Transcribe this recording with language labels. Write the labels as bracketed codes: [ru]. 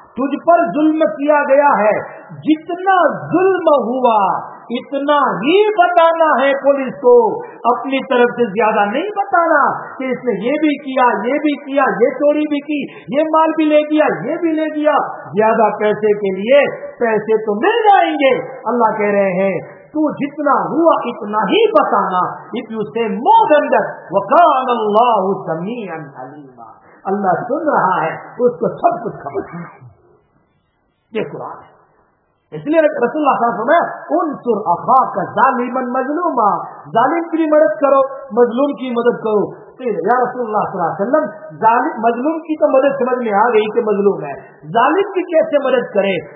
[ur] تجھ پر ظلم کیا گیا ہے جتنا ظلم ہوا اتنا ہی بتانا ہے پولیس کو اپنی طرف سے زیادہ نہیں بتانا کہ اس نے یہ بھی کیا یہ بھی کیا یہ چوری بھی کی یہ مال بھی لے گیا یہ بھی لے گیا. زیادہ پیسے کے لیے پیسے تو مل جائیں گے. اللہ کہہ رہے ہیں تو جتنا ہوا اتنا ہی بتانا. [en] If you say more than that, [ar] وَقَانَ اللَّهُ سَمِيعًا عَلِيمًا. [ur] اللہ سن رہا ہے اس کو سب کچھ خبر ہے. یہ قرآن ہے. اس لیے رسول اللہ صلی اللہ علیہ وسلم [ar] انصر اخاک ظالما مظلوما. [ur] ظالم کی مدد کرو مظلوم کی مدد کرو. یا رسول اللہ صلی اللہ علیہ وسلم مظلوم کی تو مدد سمجھ میں آ گئی کہ مظلوم ہے ظالم کی کیسے مدد کرے.